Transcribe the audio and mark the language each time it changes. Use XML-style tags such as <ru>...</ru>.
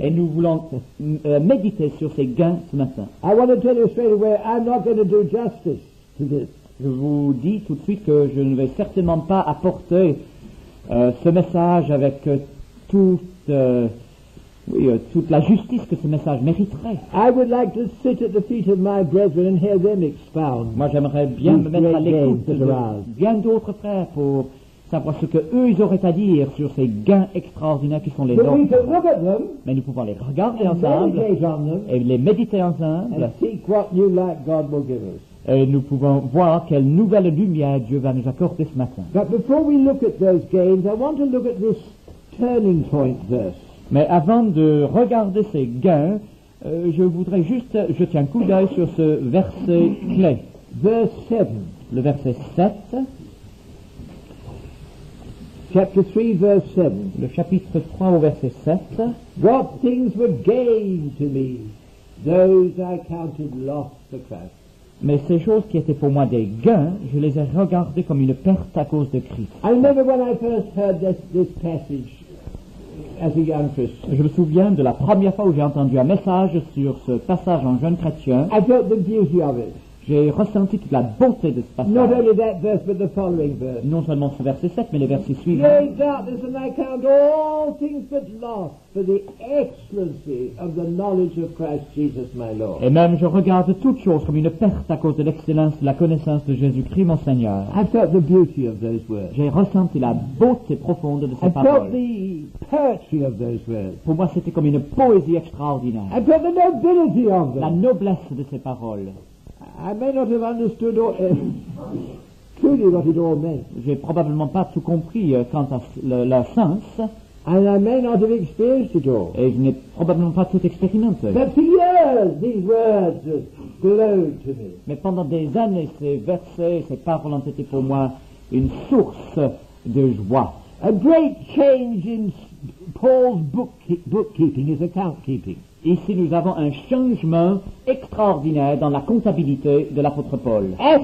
<fr>Et nous voulons méditer sur ces gains ce matin.</fr> <en>I want to tell you straight away, I'm not going to do justice to this.</en> <fr>Je vous dis tout de suite que je ne vais certainement pas apporter ce message avec toute la justice que ce message mériterait.</fr> <en>I would like to sit at the feet of my brethren and hear them expound.</en> <fr>Moi, j'aimerais bien me mettre à l'écoute de bien d'autres frères pour savoir ce que eux ils auraient à dire sur ces gains extraordinaires qui sont les nôtres. Mais nous pouvons les regarder ensemble et les méditer ensemble.</fr> <en>And seek what new light God will give us.</en> <fr>Et nous pouvons voir quelle nouvelle lumière Dieu va nous accorder ce matin.</fr> <en>But before we look at those gains, I want to look at this. Turning point verse.</en> <fr>Mais avant de regarder ces gains, je voudrais juste jeter un coup d'œil sur ce verset clé.</fr> <en>Verse 7.</en> <fr>Le verset 7.</fr> <en>Chapter 3, verse 7.</en> <fr>Le chapitre 3, au verset 7.</fr> <en>What things were gain to me, those I counted loss for Christ.</en> <fr>Mais ces choses qui étaient pour moi des gains, je les ai regardées comme une perte à cause de Christ.</fr> <en>I remember when I first heard this passage as a young Christian.</en> <fr>Je me souviens de la première fois où j'ai entendu un message sur ce passage en jeune chrétien.</fr> <en>I felt the beauty of it.</en> <fr>J'ai ressenti toute la beauté de ce passage.</fr> <en>Not only that verse, but the following verse.</en> <fr>Non seulement ce verset 7, mais le verset suivant.</fr> <en>Darkness and I count all things but loss for the excellency of the knowledge of Christ Jesus my Lord.</en> <fr>Et même je regarde toutes choses comme une perte à cause de l'excellence de la connaissance de Jésus-Christ mon Seigneur.</fr> <en>I felt the beauty of those words.</en> <fr>J'ai ressenti la beauté profonde de ces</fr> <en>I</en> <fr>paroles.</fr> <en>I felt the poetry of those words.</en> <fr>Pour moi, c'était comme une poésie extraordinaire.</fr> <en>I felt the nobility of them.</en> <fr>La noblesse de ces paroles.</fr> <en>I may not have understood truly what it all meant.</en> <fr>J'ai probablement pas tout compris quant à le sens.</fr> <en>And I may not have experienced it all.</en> <fr>Et je n'ai probablement pas tout expérimenté.</fr> <en>But for years, these words glowed to me.</en> <fr>Mais pendant des années, ces versets, ces paroles ont été pour moi une source de joie.</fr> <en>A great change in Paul's bookkeeping, his account keeping.</en> <fr>Ici, nous avons un changement extraordinaire dans la comptabilité de l'apôtre Paul.</fr>